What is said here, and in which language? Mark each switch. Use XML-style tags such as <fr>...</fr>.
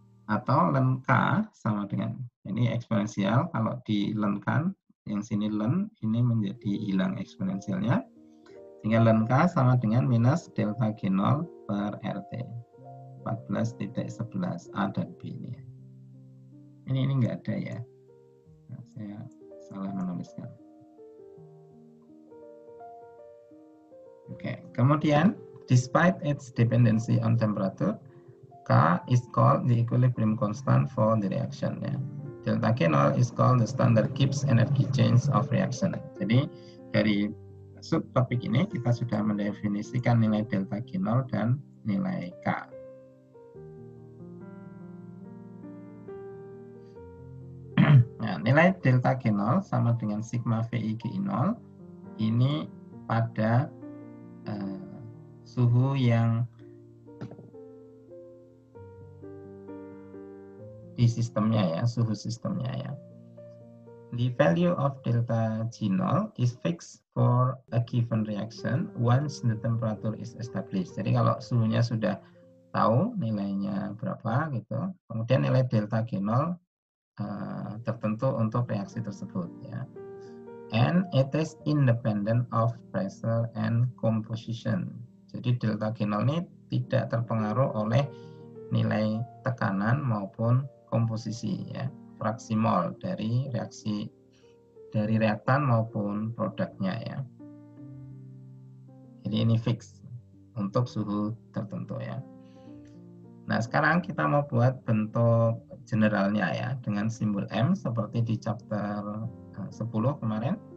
<id>Atau ln K sama dengan, ini eksponensial, kalau di ln kan, yang sini ln, ini menjadi hilang eksponensialnya. Sehingga ln K sama dengan minus delta G0 per RT. 14.11 A dan B ini. Ini enggak ada ya. Nah, saya salah menuliskan. Oke, kemudian</id> <en>despite its dependency on temperature, K is called the equilibrium constant for the reaction. Ya. Delta K0 is called the standard Gibbs energy change of reaction.</en> <id>Jadi dari subtopik ini kita sudah mendefinisikan nilai delta K0 dan nilai K. Nilai delta G0 sama dengan sigma Vi Gi0 ini pada suhu yang di sistemnya ya, suhu sistemnya ya.</id> <en>The value of delta G0 is fixed for a given reaction once the temperature is established.</en> <id>Jadi kalau suhunya sudah tahu nilainya berapa gitu, kemudian nilai delta G0 tertentu untuk reaksi tersebut ya.</id> <en>And it is independent of pressure and composition.</en> <id>Jadi delta G0 ini tidak terpengaruh oleh nilai tekanan maupun komposisi ya, fraksi mol dari reaksi, dari reaktan maupun produknya ya. Jadi ini fix untuk suhu tertentu ya. Nah, sekarang kita mau buat bentuk generalnya ya, dengan simbol M seperti di chapter 10 kemarin.</id>